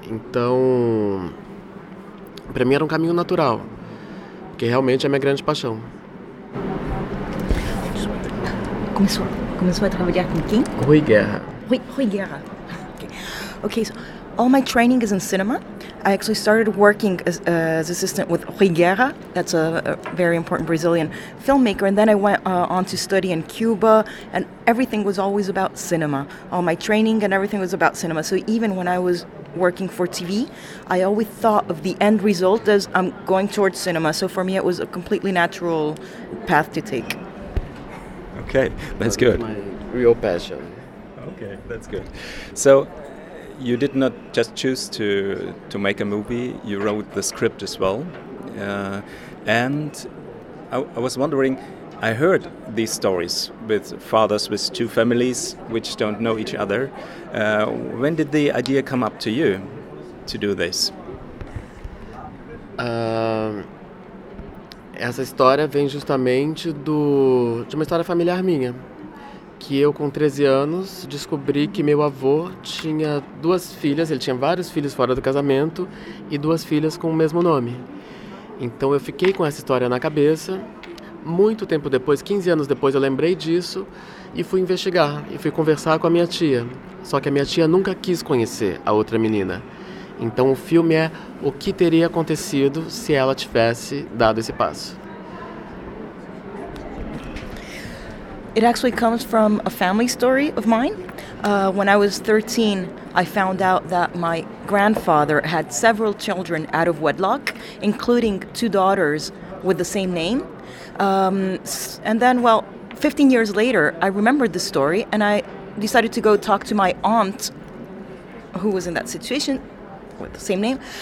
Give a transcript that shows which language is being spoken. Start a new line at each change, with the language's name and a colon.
Portuguese: Então, para mim era um caminho natural, porque realmente é a minha grande paixão. Começou a trabalhar com quem? Rui Guerra. Rui Guerra. Okay.
English: Okay, so all my training is in cinema. I actually started working as assistant with Rui Guerra, that's a very important Brazilian filmmaker, and then I went on to study in Cuba, and everything was always about cinema. All my training and everything was about cinema. So even when I was working for TV, I always thought of the end result as I'm going towards cinema. So for me, it was a completely natural path to take. Okay, that's good. My real passion. Okay, that's good. So, you did not just choose to make a movie, you wrote the script as well. And I was wondering, I heard these stories with fathers with two families which don't know each other. When did the idea come up to you to do this?
Portuguese: Essa história vem justamente de uma história familiar minha. Que eu, com 13 anos, descobri que meu avô tinha duas filhas, ele tinha vários filhos fora do casamento, e duas filhas com o mesmo nome. Então eu fiquei com essa história na cabeça, muito tempo depois, 15 anos depois, eu lembrei disso, e fui investigar, e fui conversar com a minha tia. Só que a minha tia nunca quis conhecer a outra menina. Então o filme é o que teria acontecido se ela tivesse dado esse passo.
English: It actually comes from a family story of mine. When I was 13, I found out that my grandfather had several children out of wedlock, including two daughters with the same name. And then, 15 years later, I remembered the story and I decided to go talk to my aunt, who was in that situation with the same name.